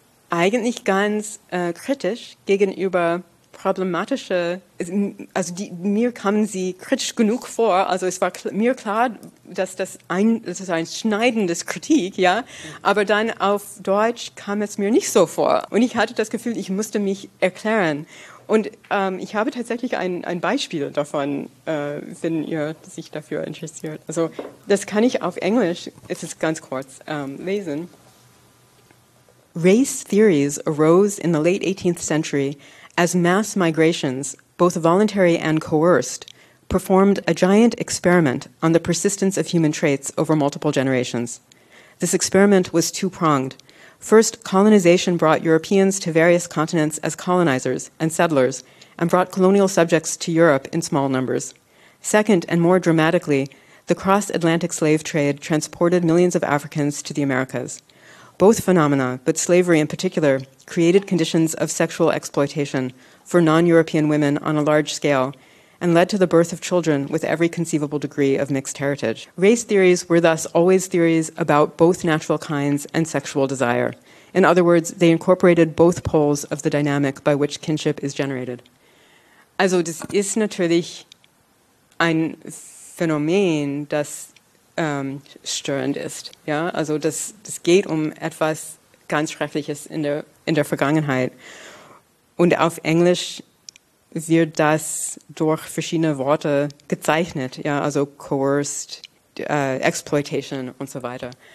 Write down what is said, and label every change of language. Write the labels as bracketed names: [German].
[German] eigentlich ganz kritisch gegenüber problematische, also die, mir kamen sie kritisch genug vor, also es war mir klar, dass das ein schneidendes Kritik, ja, aber dann auf Deutsch kam es mir nicht so vor und ich hatte das Gefühl, ich musste mich erklären und ich habe tatsächlich ein Beispiel davon, wenn ihr sich dafür interessiert. Also das kann ich auf Englisch, es ist ganz kurz, lesen. [English] Race theories arose in the late 18th century as mass migrations, both voluntary and coerced, performed a giant experiment on the persistence of human traits over multiple generations. This experiment was two-pronged. First, colonization brought Europeans to various continents as colonizers and settlers and brought colonial subjects to Europe in small numbers. Second, and more dramatically, the cross-Atlantic slave trade transported millions of Africans to the Americas. Both phenomena, but slavery in particular, created conditions of sexual exploitation for non-European women on a large scale and led to the birth of children with every conceivable degree of mixed heritage. Race theories were thus always theories about both natural kinds and sexual desire. In other words, they incorporated both poles of the dynamic by which kinship is generated. [German] Also, das ist natürlich ein Phänomen, das störend ist. Ja? Also, das geht um etwas ganz Schreckliches in der Vergangenheit. Und auf Englisch wird das durch verschiedene Worte gezeichnet, ja, also [English] coerced, exploitation [German] und so weiter.